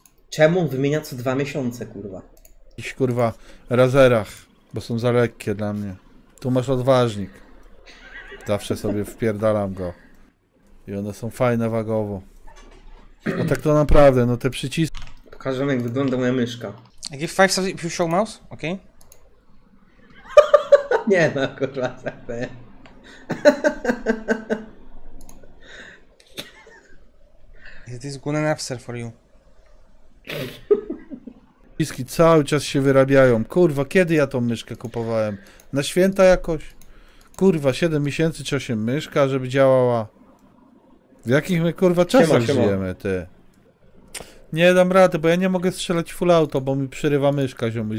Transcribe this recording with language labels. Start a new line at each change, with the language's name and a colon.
Polish: Czemu wymienia co 2 miesiące, kurwa? Jakiś, kurwa, razerach, bo są za lekkie dla mnie. Tu masz odważnik. Zawsze sobie wpierdalam go. I one są fajne wagowo. A tak to naprawdę, no te przyciski... Pokażę, jak wygląda moja myszka.
English: I give 5 subs if you show mouse, ok?
Polish: Nie no, kurwa, tak to nie.
English: It is good enough, sir, for you.
Polish: Przyciski cały czas się wyrabiają. Kurwa, kiedy ja tą myszkę kupowałem? Na święta jakoś? Kurwa, 7 miesięcy czy 8 myszka, żeby działała? W jakich my, kurwa, czasach żyjemy, ty? Nie dam rady, bo ja nie mogę strzelać full auto, bo mi przerywa myszka, ziomuś.